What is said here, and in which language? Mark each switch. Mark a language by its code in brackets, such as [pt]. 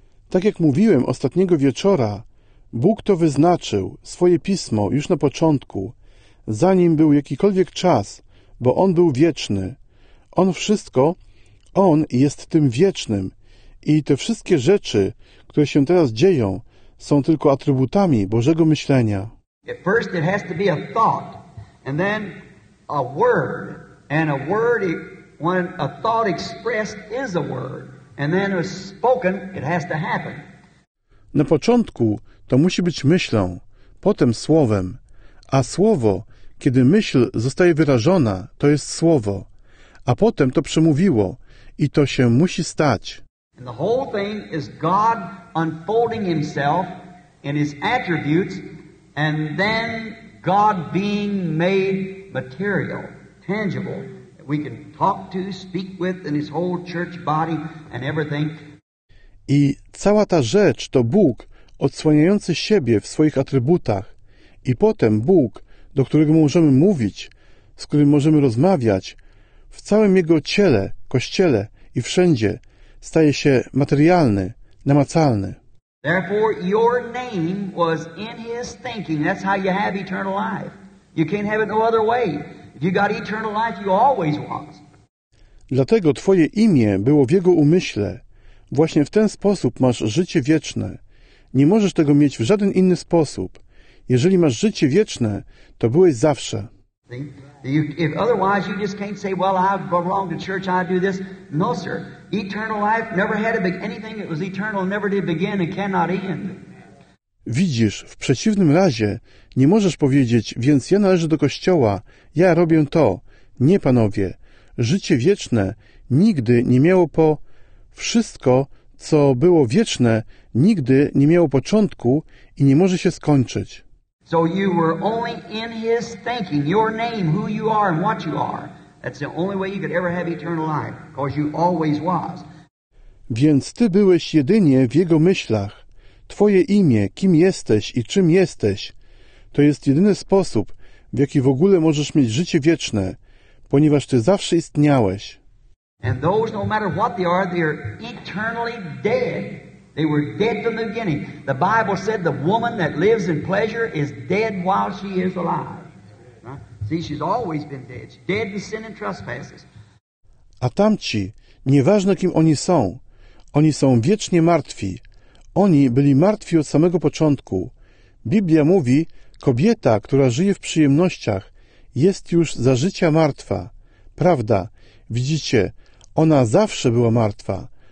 [pl] Tak jak mówiłem ostatniego wieczora, Bóg to wyznaczył, swoje pismo, już na początku, zanim był jakikolwiek czas, bo On był wieczny. On wszystko, On jest tym wiecznym. I te wszystkie rzeczy, które się teraz dzieją, są tylko atrybutami Bożego myślenia. [en] At first it has to be a thought, and then a word, and a word, when a thought expressed is a word, and then it was spoken, it has to happen. [pl] Na początku to musi być myślą, potem słowem, a słowo, kiedy myśl zostaje wyrażona, to jest słowo, a potem to przemówiło i to się musi stać. [en] And the whole thing is God unfolding himself in his attributes and then God being made material, tangible, that we can talk to, speak with in his whole church body and everything. [pl] I cała ta rzecz to Bóg odsłaniający siebie w swoich atrybutach i potem Bóg, do którego możemy mówić, z którym możemy rozmawiać, w całym Jego ciele, kościele i wszędzie staje się materialny, namacalny. [en] Therefore your name was in his thinking. That's how you have eternal life. You can't have it no other way. If you got eternal life, you always was. [pl] Dlatego twoje imię było w jego umyśle. Właśnie w ten sposób masz życie wieczne. Nie możesz tego mieć w żaden inny sposób. Jeżeli masz życie wieczne, to byłeś zawsze. [en] If otherwise you just can't say, well, I belong to church, I do this. No, sir. Eternal life never had anything that was eternal never did begin and cannot end. [pl] Widzisz, w przeciwnym razie nie możesz powiedzieć, więc ja należę do kościoła, ja robię to. Nie, panowie. Życie wieczne nigdy nie miało po... Wszystko, co było wieczne, nigdy nie miało początku i nie może się skończyć. [en] So you were only in his thinking, your name, who you are and what you are. That's the only way you could ever have eternal life, because you always was. [pl] Więc ty byłeś jedynie w jego myślach. Twoje imię, kim jesteś i czym jesteś, to jest jedyny sposób, w jaki w ogóle możesz mieć życie wieczne, ponieważ ty zawsze istniałeś. [en] And those, no matter what they are eternally dead. They were dead from the beginning. The Bible said the woman that lives in pleasure is dead while she is alive. See, she's always been dead. She's dead in sin and trespasses. [pl] A tamci, nieważne kim oni są wiecznie martwi. Oni byli martwi od samego początku. Biblia mówi, kobieta, która żyje w przyjemnościach, jest już za życia martwa. Prawda, widzicie, ona zawsze była martwa.